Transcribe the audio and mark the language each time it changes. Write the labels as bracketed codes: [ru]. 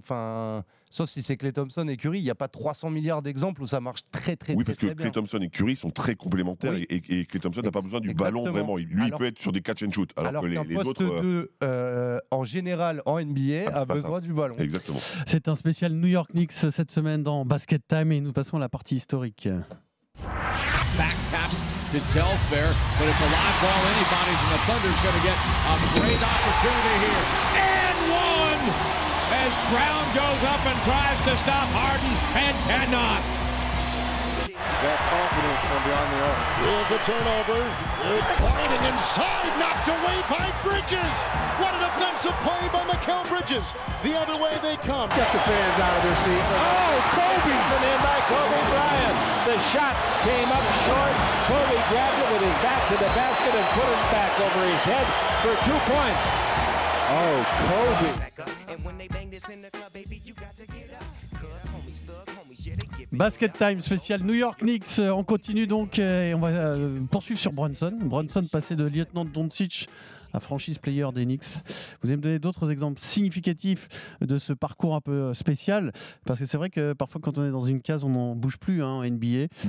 [fr] Enfin, sauf si c'est Klay Thompson et Curry. Il n'y a pas 300 milliards d'exemples où ça marche très, très, très bien. Oui, parce que Klay Thompson et Curry sont très complémentaires. Oui. Et Klay Thompson n'a pas besoin du ballon vraiment. Lui, il peut être sur des catch and shoot. Alors que les autres. Poste 2, en général, en NBA, a besoin du ballon. Exactement. C'est un spécial New York Knicks cette semaine dans basket. Get time et nous passons à la partie historique. [en] Back tap to Telfair, but it's a live ball anybody's and the Thunder's going to get a great opportunity here. And one as Brown goes up and tries to stop Harden and cannot. That confidence from beyond the arc. Here's the turnover. They're pointing inside, knocked away by Bridges. What an offensive play by Mikal Bridges. The other way they come. Get the fans out of their seat. Oh, Kobe! And in by Kobe Bryant. The shot came up short. Kobe grabbed it with his back to the basket and put it back over his head for 2 points. Oh, Kobe. And when they bang this in the club, baby, you got to get up. [fr] Basket Time spécial New York Knicks. On continue donc et on va poursuivre sur Brunson. Brunson passé de lieutenant de Doncic à franchise player des Knicks. Vous allez me donner d'autres exemples significatifs de ce parcours un peu spécial, parce que c'est vrai que parfois quand on est dans une case, on n'en bouge plus hein, en NBA.